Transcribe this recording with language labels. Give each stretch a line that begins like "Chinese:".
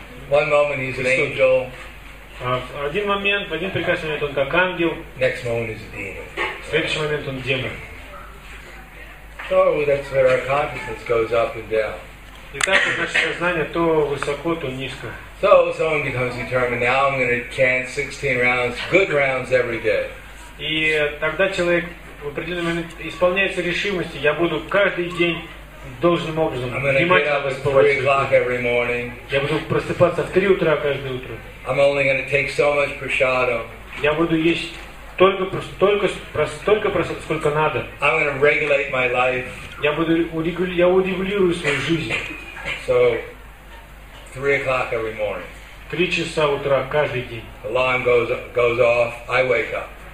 Russian: Один момент, в один прекрасный момент он как ангел.
English: Next moment is a demon.
Russian: В следующий момент он демон.
English: that's where our consciousness goes up and down.
Russian: Итак, это наше сознание то высоко, то низко.
English: So someone becomes determined. Now I'm going to chant 16 rounds, good rounds every day.
Russian: И тогда человек в определенный момент исполняется решимости. Я буду каждый день должным образом внимательно восповедовать. Я буду просыпаться в 3 утра каждое утро.
English: I'm only going to take so much prasadam.
Russian: Я буду есть столько просто, сколько надо.
English: I'm going to regulate my life.
Russian: Я урегулирую свою жизнь.
English: So, 3 o'clock every morning.
Russian: 3 часа утра каждый день.
English: The alarm goes off. I wake up.